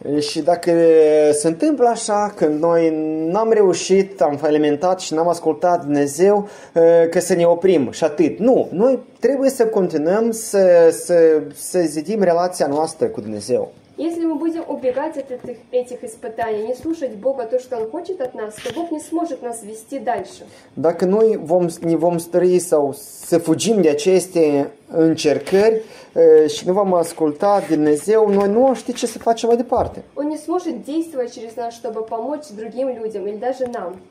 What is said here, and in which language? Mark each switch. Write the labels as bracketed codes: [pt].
[ro] Și dacă se întâmplă așa, că noi n-am reușit, am falimentat și n-am ascultat Dumnezeu, că să ne oprim și atât. Nu, noi trebuie să continuăm să zidim relația noastră cu Dumnezeu. [ru] Если мы будем убегать от этих испытаний, не слушать Бога, то, что Он хочет от нас, то Бог не сможет нас вести дальше. [ro] Dacă noi не vom stări sau să fugim de aceste încercări și nu vom asculta Dumnezeu, noi nu știm ce să facem mai departe. [ru] Он не сможет действовать через нас, чтобы помочь другим людям или даже нам.